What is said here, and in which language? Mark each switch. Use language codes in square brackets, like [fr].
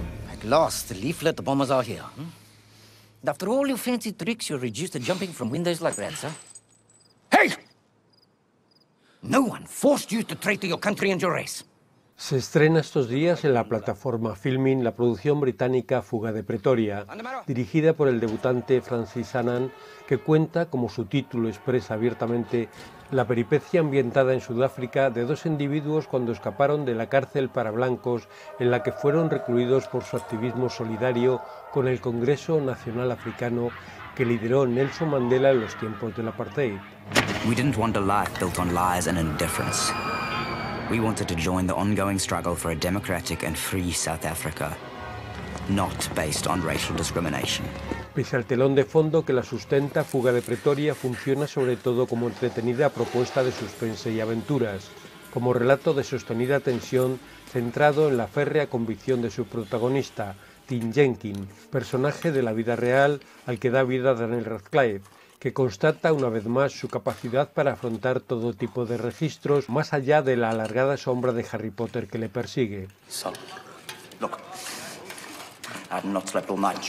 [en] At last, the leaflet, the bombers are here. Hmm? After all your fancy tricks, you're reduced to jumping from windows like that, sir. Hey! No one forced you to traitor your country and your race. [es] Se estrena estos días en la plataforma Filmin la producción británica Fuga de Pretoria, dirigida por el debutante Francis Annan, que cuenta, como su título expresa abiertamente, la peripecia ambientada en Sudáfrica de dos individuos cuando escaparon de la cárcel para blancos en la que fueron recluidos por su activismo solidario con el Congreso Nacional Africano que lideró Nelson Mandela en los tiempos del apartheid. [en] We didn't want a life built on lies and indifference. We wanted to join the ongoing struggle for a democratic and free South Africa, not based on racial discrimination. [es] Pese al telón de fondo que la sustenta, Fuga de Pretoria funciona sobre todo como entretenida propuesta de suspense y aventuras, como relato de sostenida tensión centrado en la férrea convicción de su protagonista, Tim Jenkins, personaje de la vida real al que da vida Daniel Radcliffe, que constata una vez más su capacidad para afrontar todo tipo de registros más allá de la alargada sombra de Harry Potter que le persigue. [en] So, look, I have not slept all night.